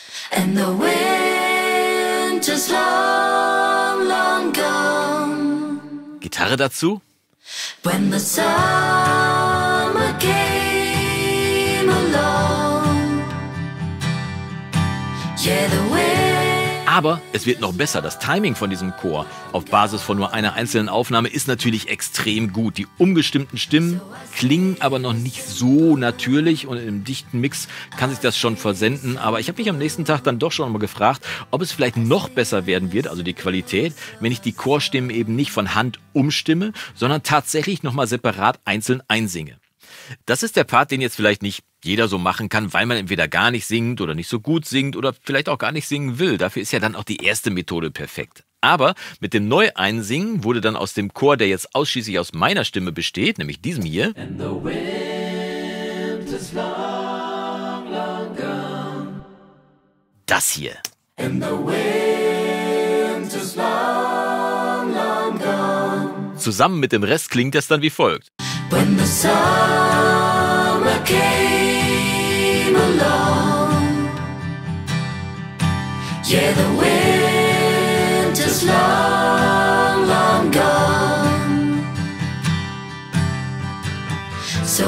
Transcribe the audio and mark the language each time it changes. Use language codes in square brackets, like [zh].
[en] And the wind is long, long gone. [de] Gitarre dazu. [en] When the summer came along. Yeah, the wind. [de] Aber es wird noch besser. Das Timing von diesem Chor auf Basis von nur einer einzelnen Aufnahme ist natürlich extrem gut. Die umgestimmten Stimmen klingen aber noch nicht so natürlich und im dichten Mix kann sich das schon versenden. Aber ich habe mich am nächsten Tag dann doch schon mal gefragt, ob es vielleicht noch besser werden wird, also die Qualität, wenn ich die Chorstimmen eben nicht von Hand umstimme, sondern tatsächlich nochmal separat einzeln einsinge. Das ist der Part, den jetzt vielleicht nicht jeder so machen kann, weil man entweder gar nicht singt oder nicht so gut singt oder vielleicht auch gar nicht singen will. Dafür ist ja dann auch die erste Methode perfekt. Aber mit dem Neueinsingen wurde dann aus dem Chor, der jetzt ausschließlich aus meiner Stimme besteht, nämlich diesem hier, [en] and the wind is long, long gone. [de] Das hier. [en] And the wind is long, long gone. [de] Zusammen mit dem Rest klingt das dann wie folgt. [en] When the summer came along, yeah, the wind is long, long gone.